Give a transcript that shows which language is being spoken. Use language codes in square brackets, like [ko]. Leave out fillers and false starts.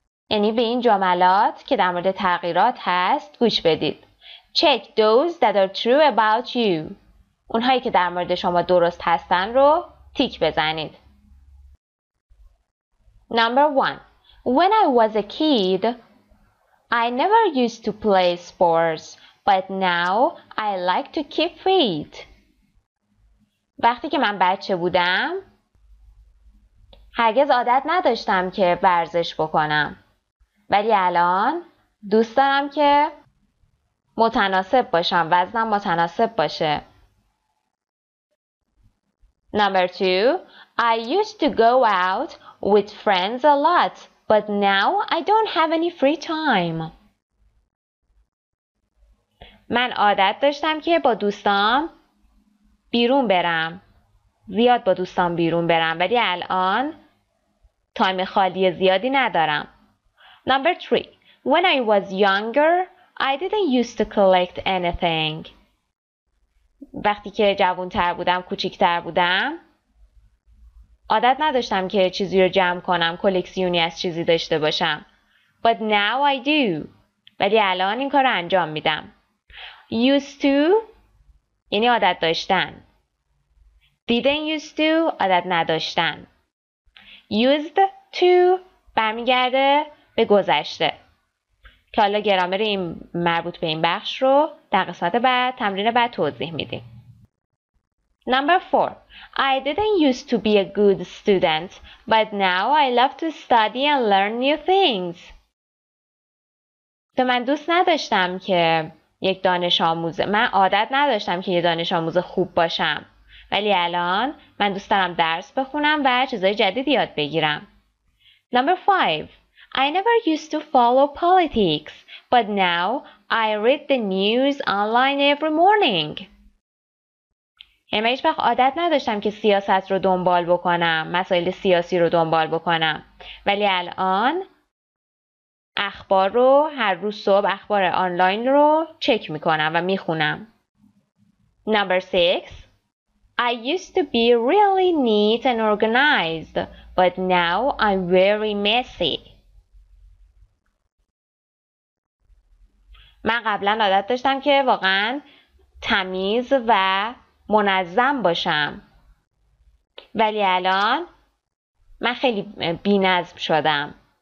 [fa] یعنی به این جملات که در مورد تغییرات هست گوش بدید. [en] Check those that are true about you. [fa] اونهایی که در مورد شما درست هستن رو تیک بزنید. [en] Number 1. When I was a kid, I never used to play sports, but now I like to keep fit. [fa] وقتی که من بچه بودم، هرگز عادت نداشتم که ورزش بکنم. ولی الان دوست دارم که متناسب باشم، وزنم متناسب باشه. [en] Number 2. I used to go out with friends a lot, but now I don't have any free time. [fa] من عادت داشتم که با دوستام بیرون برم. زیاد با دوستام بیرون برم ولی الان تایم خالی زیادی ندارم. [en] Number 3. When I was younger, I didn't used to collect anything. [fa] وقتی که جوان‌تر بودم، کوچیک‌تر بودم، عادت نداشتم که چیزی رو جمع کنم، کلکسیونی از چیزی داشته باشم. [en] But now I do. [fa] ولی الان این کار رو انجام میدم. Used to یعنی عادت داشتن. Didn't used to عادت نداشتن. Used to برمیگرده به گذشته. که حالا گرامر این مربوط به این بخش رو در قسمت بعد تمرین بعد توضیح میدیم. [en] Number 4. I didn't used to be a good student, but now I love to study and learn new things. [fa] من دوست نداشتم که یک دانش آموز، من عادت نداشتم که یک دانش آموز خوب باشم. ولی الان من دوست دارم درس بخونم و چیزای جدید یاد بگیرم. [en] Number 5. I never used to follow politics, but now I read the news online every morning. [fa] یعنی من هیچ‌وقت عادت نداشتم که سیاست رو دنبال بکنم، مسائل سیاسی رو دنبال بکنم. ولی الان اخبار رو هر روز صبح اخبار آنلاین رو چک میکنم و میخونم. [en] Number 6. I used to be really neat and organized, but now I'm very messy. [fa] من قبلا عادت داشتم که واقعا تمیز و منظم باشم. ولی الان من خیلی بی نظم شدم.